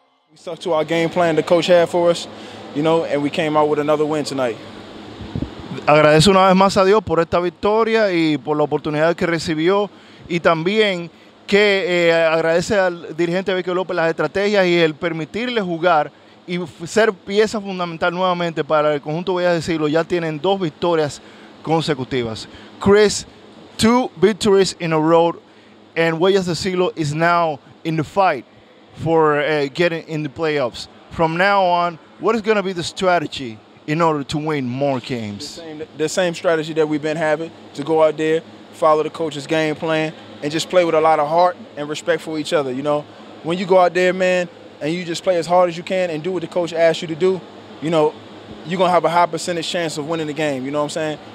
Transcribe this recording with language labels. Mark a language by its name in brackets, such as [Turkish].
[English] We stuck to our game plan the coach had for us, you know, and we came out with another win tonight. [Spanish] Agradezco una vez más a Dios por esta victoria y por la oportunidad que recibió y también que agradece al dirigente Vicky López las estrategias y el permitirle jugar y ser pieza fundamental nuevamente para el conjunto, voy a decirlo, ya tienen dos victorias consecutivas. [English] Chris, two victories in a row, and Huellas de Siglo is now in the fight for getting in the playoffs. From now on, what is going to be the strategy in order to win more games? The same strategy that we've been having, to go out there, follow the coach's game plan, and just play with a lot of heart and respect for each other. You know, when you go out there, man, and you just play as hard as you can and do what the coach asks you to do, you know, you're going to have a high percentage chance of winning the game. You know what I'm saying?